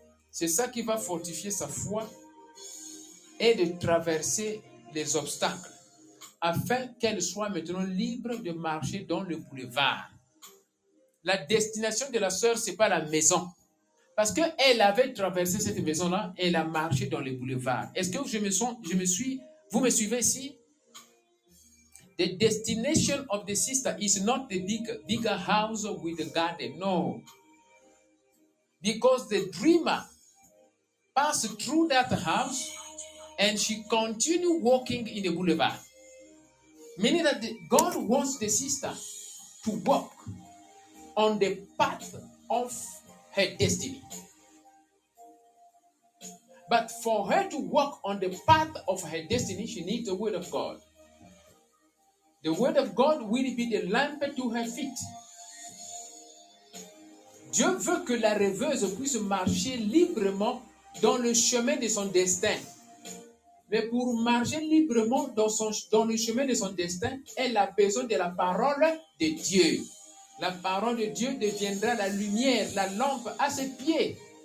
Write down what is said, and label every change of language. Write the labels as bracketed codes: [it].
[fr] C'est ça qui va fortifier sa foi et de traverser les obstacles, afin qu'elle soit maintenant libre de marcher dans le boulevard. La destination de la sœur, ce n'est pas la maison. Parce qu'elle avait traversé cette maison-là, et elle a marché dans le boulevard. Est-ce que vous me suivez ici? [en] The destination of the sister is not the bigger house with the garden, no. Because the dreamer passed through that house, and she continued walking in the boulevard. Meaning that God wants the sister to walk on the path of her destiny. But for her to walk on the path of her destiny, she needs the word of God. The word of God will be the lamp to her feet. [fr] Dieu veut que la rêveuse puisse marcher librement dans le chemin de son destin. Mais pour marcher librement dans le chemin de son destin, elle a besoin de la parole de Dieu. La parole de Dieu deviendra la lumière, la lampe à ses pieds.